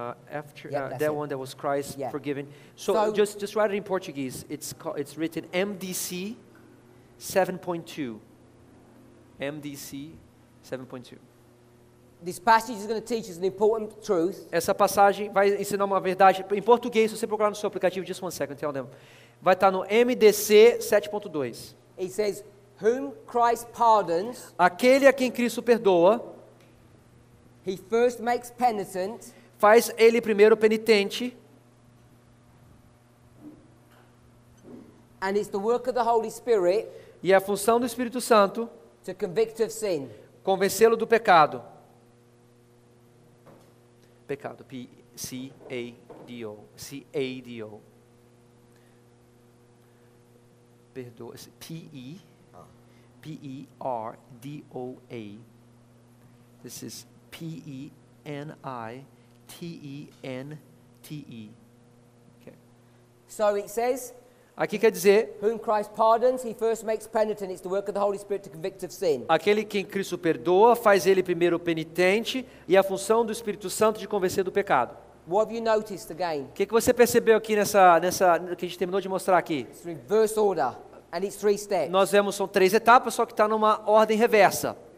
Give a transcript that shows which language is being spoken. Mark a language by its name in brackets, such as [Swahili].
[English] After that one, that was Christ forgiven. [Portuguese] So just write it in Portuguese. [English] It's written MDC 7.2. MDC 7.2. This passage is going to teach us an important truth. [Portuguese] Essa passagem vai ensinar uma verdade. Em português, se você procurar no seu aplicativo, [English] just one second, tell them. [Portuguese] Vai estar no MDC 7.2. [English] It says, whom Christ pardons, [Portuguese] aquele a quem Cristo perdoa, [English] he first makes penitent, [Portuguese] faz ele primeiro penitente, [English] and it's the work of the Holy Spirit, [Portuguese] e a função do Espírito Santo, [English] to convict of sin. [Portuguese] Convencê-lo do pecado. Pecado. P-C-A-D-O. C-A-D-O. Perdoa. P-E. P-E-R-D-O-A. [English] This is P-E-N-I-T-E-N-T-E. Okay. So it says. [Portuguese] Aqui quer dizer, [English] whom Christ pardons, he first makes penitent. It's the work of the Holy Spirit to convict of sin. [Portuguese] Aquele quem Cristo perdoa, faz ele primeiro penitente e a função do Espírito Santo de convencer do pecado. [English] What have you noticed again? [Portuguese] O que você percebeu aqui nessa que a gente terminou de mostrar aqui? [English] It's reverse order and it's three steps. [Portuguese] Nós vemos são três etapas, só que está numa ordem reversa.